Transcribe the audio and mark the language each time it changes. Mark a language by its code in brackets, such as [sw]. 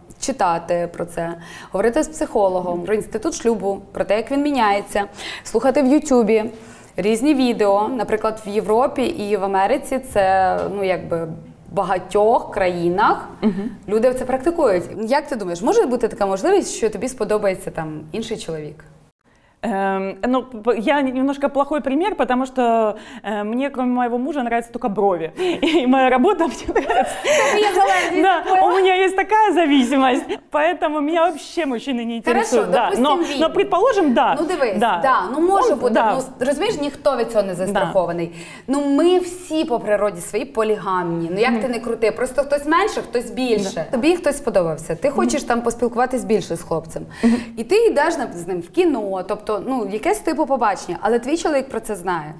[uk] читати про це, говорити з психологом, про інститут шлюбу, про те, як він міняється, слухати в Ютубі різні відео, наприклад, в Європі і в Америці це, ну, якби, в багатьох країнах люди це практикують. Як ти думаєш, може бути така можливість, що тобі сподобається там інший чоловік? [ru] Ну, я немножко плохой пример, потому что мне, кроме моего мужа, нравятся только брови. И моя работа мне нравится. У меня есть такая зависимость, поэтому меня вообще мужчины не интересуют. Но предположим, да. [uk] Ну, дивись, да, ну може бути. Ну, розумієш, ніхто від цього не застрахований. Ну, ми всі по природі свої полігамні. Ну, як ти не крути, просто хтось менше, хтось більше. Тобі хтось сподобався, ти хочеш там поспілкуватись більше з хлопцем. І ти йдеш з ним в кіно, то, ну, якесь типу побачення, але твій чоловік про це знає.